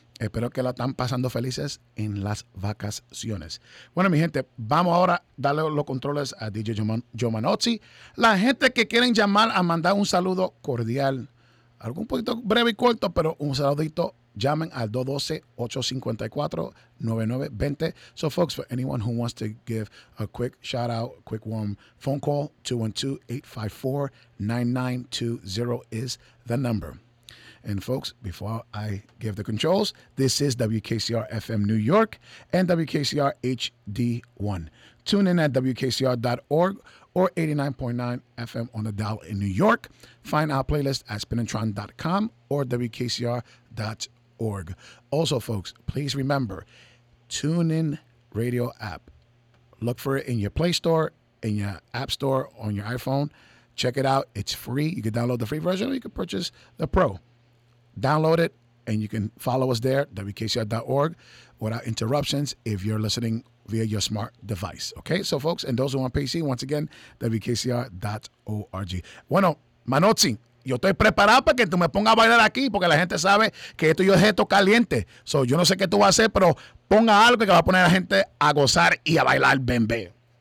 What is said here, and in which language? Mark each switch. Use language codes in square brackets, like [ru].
[es] Espero que la están pasando felices en las vacaciones. Bueno, mi gente, vamos ahora a darle los controles a DJ Jomanozzi. La gente que quieren llamar a mandar un saludo cordial, algo un poquito breve y corto, pero un saludito, llamen al 212-854-9920. [en] So, folks, for anyone who wants to give a quick shout-out, quick warm phone call, 212-854-9920 is the number. And folks, before I give the controls, this is WKCR FM New York and WKCR HD1. Tune in at WKCR.org or 89.9 FM on the dial in New York. Find our playlist at spinantron.com or WKCR.org. Also, folks, please remember, TuneIn Radio app. Look for it in your Play Store, in your App Store, on your iPhone. Check it out. It's free. You can download the free version or you can purchase the Pro. Download it, and you can follow us there, WKCR.org, without interruptions if you're listening via your smart device. Okay, so folks, and those who want PC, once again, WKCR.org. [es] Bueno, Manozzi, yo estoy preparado para que tú me pongas a bailar aquí, porque la gente sabe que esto yo es esto caliente. So, yo no sé qué tú vas a hacer, pero ponga algo que va a poner a la gente a gozar y a bailar, bembe.